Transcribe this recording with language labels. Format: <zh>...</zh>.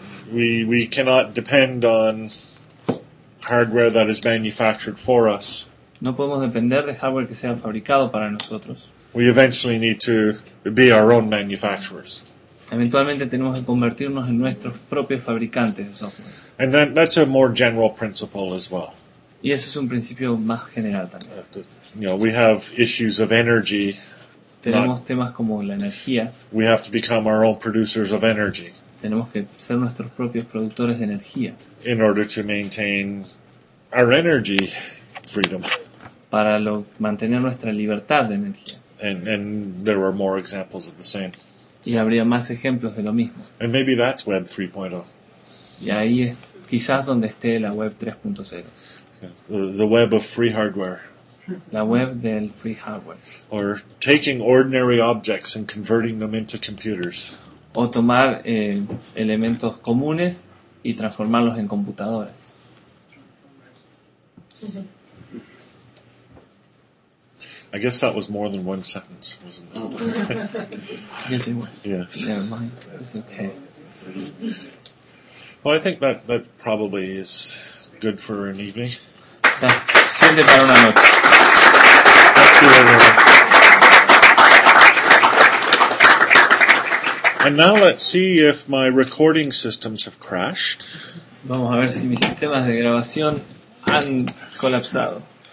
<en>We cannot depend on hardware that is manufactured for us.</en> <es>No podemos depender de hardware que sea fabricado para nosotros.</es> <en>We eventually need to be our own manufacturers.</en> <es>Eventualmente tenemos que convertirnos en nuestros propios fabricantes de software.</es> <en>And that's a more general principle as well.</en> <es>Y eso es un principio más general también.</es> <en>You know, we have issues of energy.</en> <es>Tenemos temas como la energía.</es> <en>We have to become our own producers of energy.</en> <es>Tenemos que ser nuestros propios productores de energía.</es> <en>In order to maintain our energy freedom.</en> <es>Para mantener nuestra libertad de energía.</es> <en>And there are more examples of the same.</en> <es>Y habría más ejemplos de lo mismo.</es> <en>And maybe that's Web 3.0.</en> <es>Y ahí es quizás donde esté la Web 3.0.</es> <en>The web of free hardware.</en> <es>La web del</es> <en>free hardware. Or taking ordinary objects and converting them into computers.</en> <es>O tomar elementos comunes y transformarlos en computadoras.</es> <en>I guess that was more than one sentence, wasn't it? Yes, it was. Yes. Never mind. It's okay. Well, I think that probably is good for an evening.</en> <es>Siente para una noche.</es> <en>Thank you, everyone. And now let's see if my recording systems have crashed.</en> <es>Vamos a ver si mis sistemas de grabación han colapsado.</es>